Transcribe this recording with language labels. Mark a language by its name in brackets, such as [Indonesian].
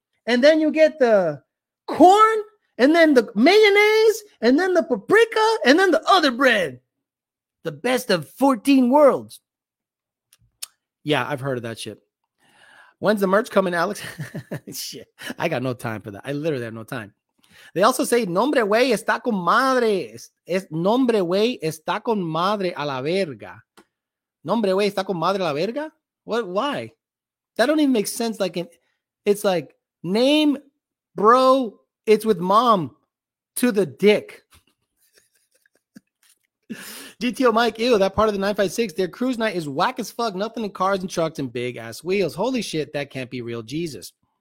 [English] And then you get the corn. And then the mayonnaise. And then the paprika. And then the other bread. The best of 14 worlds. Yeah, I've heard of that shit. When's the merch coming, Alex? Shit, I got no time for that. I literally have no time. They also say, [Spanish] nombre güey está con madre. Nombre güey está con madre a la verga. Nombre güey está con madre la verga? [English] What? Why? That don't even make sense. Like, it's like name, bro. It's with mom to the dick. DTO Mike, ew, that part of the 956, their cruise night is whack as fuck. Nothing in cars and trucks and big ass wheels. Holy shit, that can't be real Jesus.